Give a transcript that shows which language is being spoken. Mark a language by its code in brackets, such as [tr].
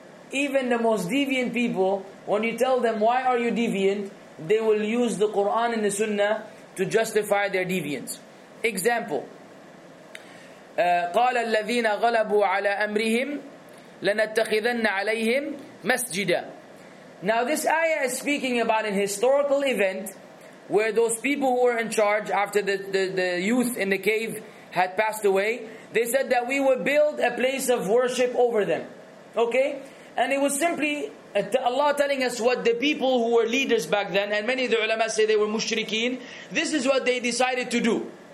[en] Even the most deviant people, when you tell them, why are you deviant? They will use the Quran and the Sunnah to justify their deviance. Example. [ar] قال الذين غلبوا على أمرهم لنتخذن عليهم مسجدا. [en] Now this ayah is speaking about an historical event where those people who were in charge after the youth in the cave had passed away, they said that we would build a place of worship over them. Okay? And it was simply Allah telling us what the people who were leaders back then, and many of the ulama say they were mushrikeen, this is what they decided to do.